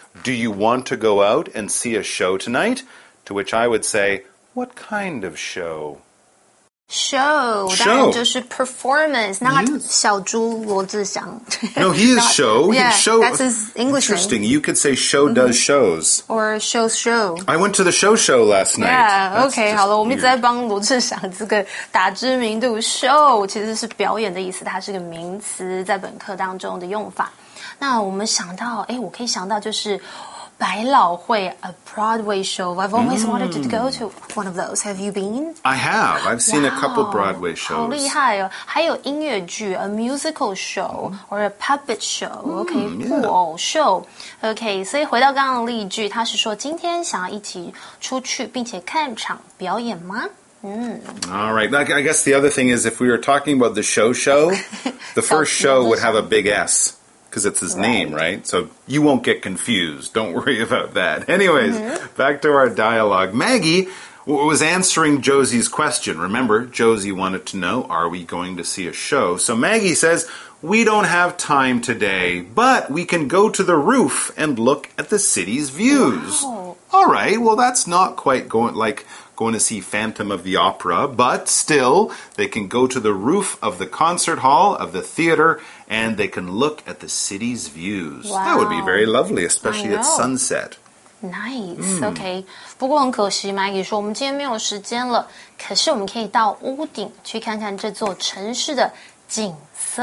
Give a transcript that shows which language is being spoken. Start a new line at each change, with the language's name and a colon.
English: Do you want to go out and see a show tonight? To which I would say, what kind of show?
Chinese: Show, 当然就是 performance, not 小猪罗志祥。
English: No, he is show. Yeah, show. That's his English name. Interesting, you could say show does shows. Or show show. I went to the show show last night. Yeah, okay,
Chinese: 好了，我们一直在帮罗志祥这个打知名度。 Show 其实是表演的意思，它是个名词，在本课当中的用法。那我们想到，哎，我可以想到就是百老汇
English: a Broadway show. I've always wanted to go to one of those. Have you been? I have. I've seen a couple Broadway shows.
Chinese: 好厉害哦！还有音乐剧
English: a musical show or a puppet show.
Chinese: Okay, 布偶 show. Okay, 所以回到刚刚的例句，他是说今天想要一起出去并且看场表演吗？
English: All right. I guess the other thing is if we were talking about the show, the first show would have a big S because it's his name, right? So you won't get confused. Don't worry about that. Anyways, back to our dialogue. Maggie was answering Josie's question. Remember, Josie wanted to know, are we going to see a show? So Maggie says, we don't have time today, but we can go to the roof and look at the city's views. Wow. All right, well, that's not quite going to see Phantom of the Opera, but still, they can go to the roof of the concert hall, of the theater, and they can look at the city's views. Wow. That would be very lovely, especially at sunset. Nice, OK.
Chinese: 不过很可惜 Maggie 说我们今天没有时间了，可是我们可以到屋顶去看看这座城市的景色。